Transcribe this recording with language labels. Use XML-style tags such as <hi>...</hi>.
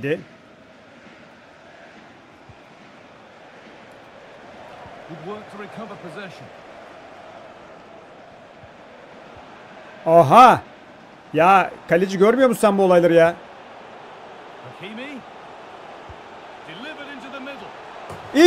<en>Good work to recover possession.</en> <tr>Oha! Ya kaleci görmüyor musun sen bu olayları ya? Hakimi.</tr> <en>Delivered into the middle.</en>